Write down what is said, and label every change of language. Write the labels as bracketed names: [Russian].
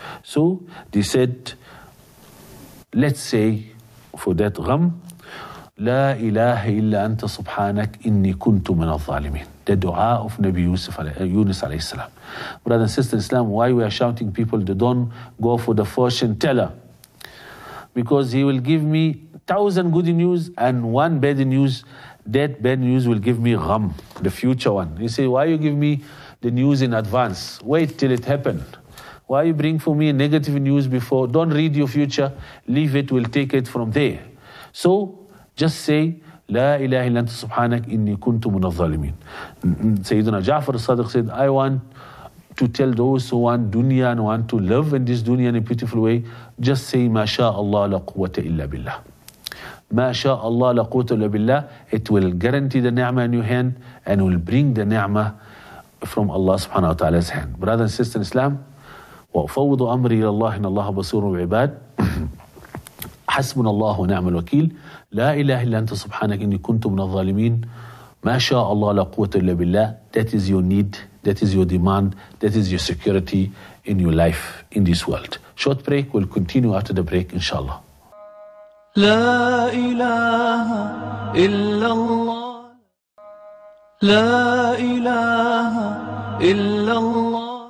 [English] So they said, let's say for that [Arabic] غم, لا إله إلا أنت سبحانك إني كنت من الظالمين. [English] The dua of Nabi Yusuf, Yunus [Arabic] عليه السلام. [English] Brother and sister Islam, why we are shouting people they don't go for the fortune teller? Because he will give me 1,000 good news and 1 bad news. That bad news will give me gham, the future one. You say, why you give me the news in advance? Wait till it happened. Why you bring for me negative news before? Don't read your future. Leave it, we'll take it from there. So just say, [Arabic] لا إله إلا أنت سبحانك إني كنت من الظالمين. [English] سيدنا جعفر الصادق said, I want to tell those who want dunya and want to live in this dunya in a beautiful way, just say, [Arabic] ما شاء الله لا قوة إلا بالله. ما شاء الله لا قوة إلا بالله. [English] It will guarantee the ni'ma in your hand and will bring the ni'ma from Allah [Arabic] سبحانه وتعالى's [English] hand. Brother and sister in Islam, [Arabic] وأفوض أمري إلى الله إن الله بصير بالعباد. حسبنا الله ونعم الوكيل. لا إله إلا أنت سبحانك إني كنت من الظالمين. ما شاء الله لا قوة إلا بالله. [English] That is your need, that is your demand, that is your security in your life in this world. Short break, we'll continue after the break inshallah. [Arabic] لا إله إلا الله. لا إله إلا الله.